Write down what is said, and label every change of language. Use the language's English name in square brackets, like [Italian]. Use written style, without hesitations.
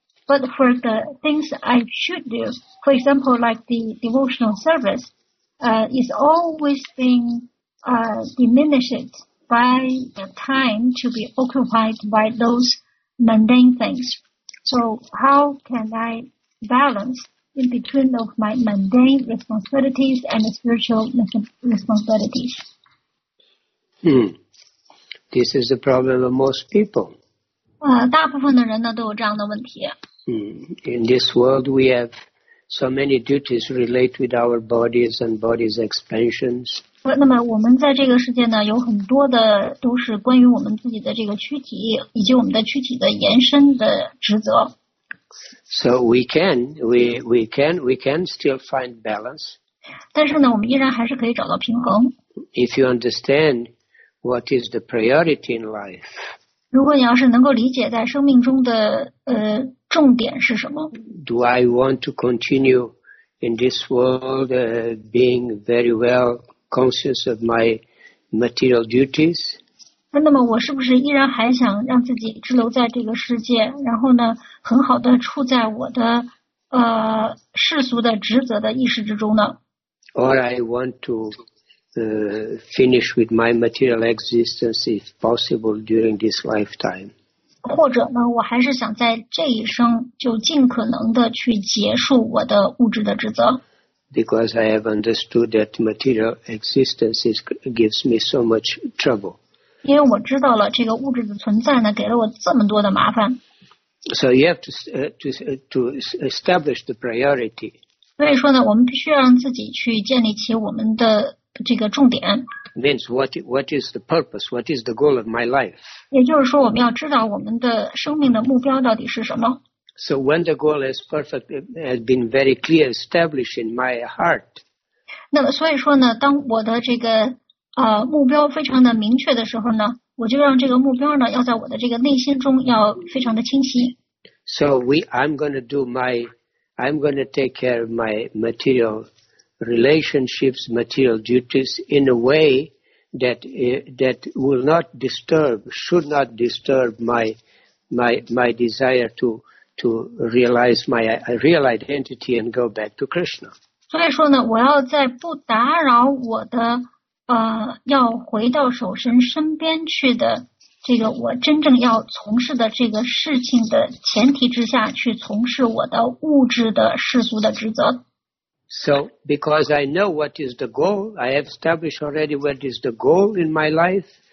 [English] But for the things I should do, for example, like the devotional service, is always being diminished by the time to be occupied by those mundane things. So how can I balance in between of my mundane responsibilities and the spiritual responsibilities? This is the problem of most people. [Chinese] 大部分的人呢都有这样的问题。 [English] In this world we have so many duties relate with our bodies and bodies' expansions. [Chinese] 那么我们在这个世界呢有很多的都是关于我们自己的这个躯体以及我们的躯体的延伸的职责。 [English] So we can still find balance. [Chinese] 但是呢我们依然还是可以找到平衡。 [English] If you understand what is the priority in life, [Chinese] 如果你要是能够理解在生命中的重点是什么? [English] Do I want to continue in this world being very well conscious of my material duties? [Chinese] 那么我是不是依然还想让自己滞留在这个世界，然后呢，很好的处在我的世俗的职责的意识之中呢? [English] Or I want to finish with my material existence if possible during this lifetime. [Chinese] 或者呢，我还是想在这一生就尽可能的去结束我的物质的职责。 [English] Because I have understood that material existence gives me so much trouble. [Chinese] 因为我知道了这个物质的存在呢，给了我这么多的麻烦。 [English] So you have to establish the priority. [Chinese] 所以说呢，我们必须让自己去建立起我们的这个重点。 [English] Means what is the purpose? What is the goal of my life? [Chinese] 也就是说，我们要知道我们的生命的目标到底是什么。 [English] So when the goal is perfect, it has been very clear established in my heart. [Chinese] 那么所以说呢，当我的这个目标非常的明确的时候呢，我就让这个目标呢要在我的这个内心中要非常的清晰。 [English] So I'm going to take care of my material. Relationships, material duties in a way that will not disturb, should not disturb my desire to realize my real identity and go back to Krishna. [Chinese] 所以说呢，我要在不打扰我的要回到守身身边去的这个我真正要从事的这个事情的前提之下去从事我的物质的世俗的职责。 [English] So, because I know what is the goal, I have established already what is the goal in my life.